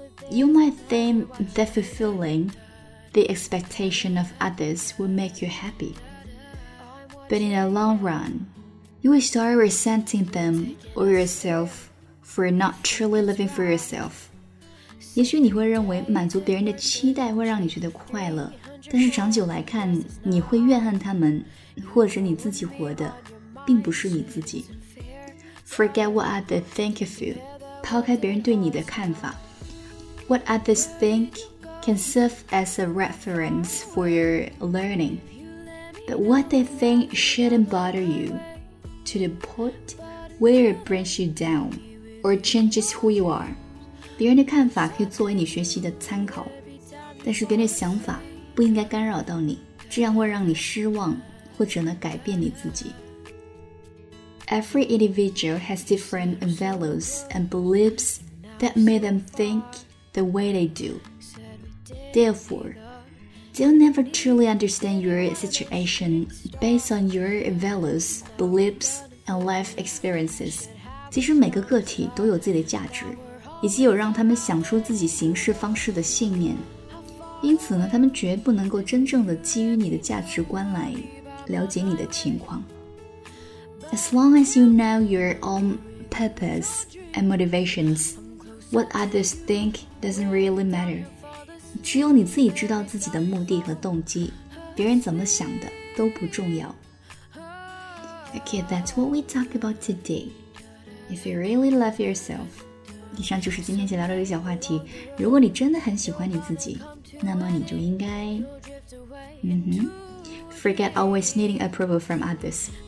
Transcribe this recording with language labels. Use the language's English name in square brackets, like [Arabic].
[English] You might think that fulfilling the expectation of others will make you happy. But in the long run, you will start resenting them or yourself for not truly living for yourself. [Chinese] 也许你会认为满足别人的期待会让你觉得快乐，但是长久来看，你会怨恨他们，或者你自己活的并不是你自己。 [English] Forget what others think of you. [Chinese] 抛开别人对你的看法。 [English] What others think can serve as a reference for your learning. But what they think shouldn't bother you to the point where it brings you down or changes who you are. [Chinese] 别人的看法可以作为你学习的参考，但是别人的想法不应该干扰到你，这样会让你失望或者呢改变你自己。 [English] Every individual has different values and beliefs that made them thinkthe way they do. Therefore, they'll never truly understand your situation based on your values, beliefs, and life experiences. [Chinese] 其实每个个体都有自己的价值，以及有让他们想出自己行事方式的信念。因此呢，他们绝不能够真正的基于你的价值观来了解你的情况。 [English] As long as you know your own purpose and motivations,What others think doesn't really matter. [Chinese] 只有你自己知道自己的目的和动机，别人怎么想的都不重要。 [English] Okay, that's what we talk about today. If you really love yourself. [Chinese] 以上就是今天想聊的一个小话题。如果你真的很喜欢你自己，那么你就应该， [English] Forget always needing approval from others.